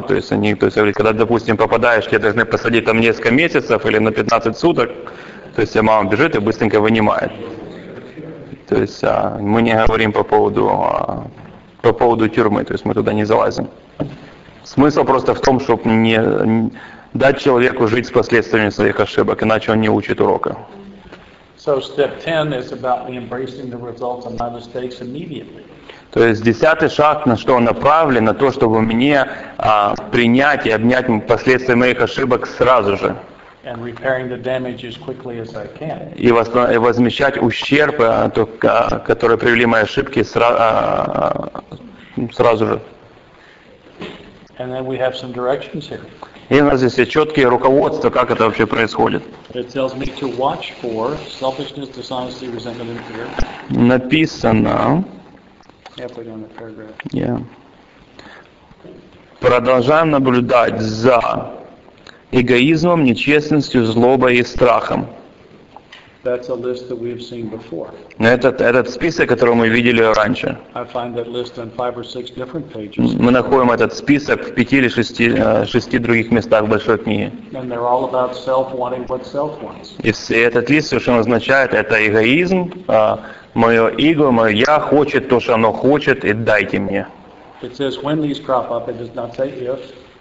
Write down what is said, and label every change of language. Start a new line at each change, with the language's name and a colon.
Russian: То есть они, то есть говорят, когда, допустим, попадаешь, тебя должны посадить там несколько месяцев или на 15 суток, то есть мама бежит и быстренько вынимает. То есть мы не говорим по поводу тюрьмы, то есть мы туда не залазим. Смысл просто в том, чтобы не дать человеку жить с последствиями своих ошибок, иначе он не учит урока.
English: So step 10 is about me embracing the results of my mistakes immediately.
Russian: То есть 10-й шаг, на что он направлен, на то, чтобы мне принять и обнять последствия моих ошибок сразу же.
English: And repairing the damage as quickly as I can.
Russian: И возмещать ущерб, который привели мои ошибки сразу же.
English: And then we have some directions here.
Russian: И у нас здесь есть четкие руководства, как это вообще происходит.
English: It tells me to watch for selfishness, dishonesty, resentment, and fear.
Russian: Написано.
English: Yeah, put it on the paragraph. Yeah.
Russian: Продолжаем наблюдать за эгоизмом, нечестностью, злобой и страхом.
English: That's a list that we've seen before.
Russian: Но этот список, который мы видели раньше.
English: I find that list on five or six different pages.
Russian: Мы находим этот список в пяти или шести других местах большой книги.
English: And they're all about self wanting what self wants.
Russian: И этот лист совершенно означает, это эгоизм, мое эго, мое я хочет то, что оно хочет, и дайте мне.
English: It says when these crop up, it does not say if.